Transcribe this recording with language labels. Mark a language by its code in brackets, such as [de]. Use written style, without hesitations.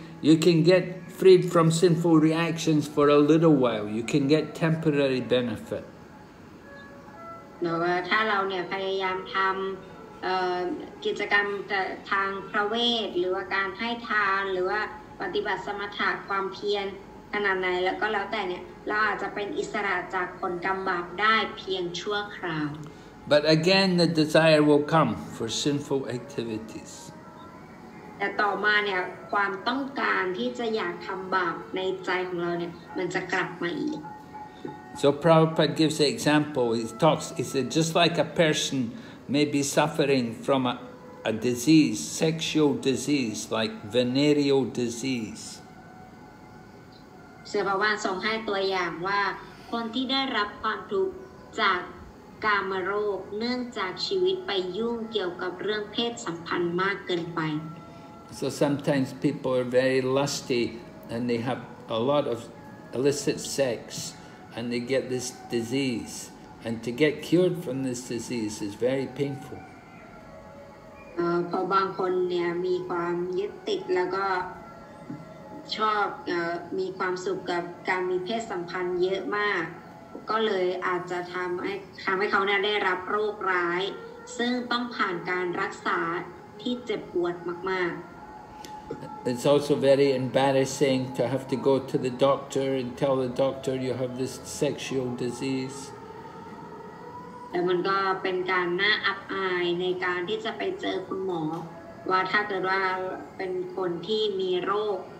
[en] You can get freed from sinful reactions for a little while. You can get temporary benefit. [th] No, ถ้าเราเนี่ยพยายามทำกิจกรรมทางพระเวทหรือว่าการให้ทานหรือว่าปฏิบัติสมถะความเพียร ขนาดไหนแล้วก็แล้วแต่เนี่ยเราอาจจะเป็นอิสระจากผลกรรมบาปได้เพียงชั่วคราว [en] But again the desire will come for sinful activities [th] แต่ต่อมาเนี่ยความต้องการที่จะอยากทำบาปในใจของเราเนี่ยมันจะกลับมาอีก [en] So Prabhupada gives the example he said just like a person may be suffering from a disease sexual disease like venereal disease [th] เสบาวานส่งให้ตัวอย่างว่าคนที่ได้รับความทุกข์จากกามโรคเนื่องจากชีวิตไปยุ่งเกี่ยวกับเรื่องเพศสัมพันธ์มากเกินไป [en] So sometimes people are very lusty and they have a lot of illicit sex and they get this disease and to get cured from this disease is very painful [th] พอบางคนเนี่ยมีความยึดติดแล้วก็ชอบมีความสุขกับการมีเพศสัมพันธ์เยอะมากก็เลยอาจจะทำให้เขาเนี่ยได้รับโรคร้ายซึ่งต้องผ่านการรักษาที่เจ็บปวดมาก [en] ๆ It's also very embarrassing to have to go to the doctor and tell the doctor you have this sexual disease [th] แต่มันก็เป็นการน่าอับอายในการที่จะไปเจอคุณหมอว่าถ้าเกิดว่าเป็นคนที่มีโรค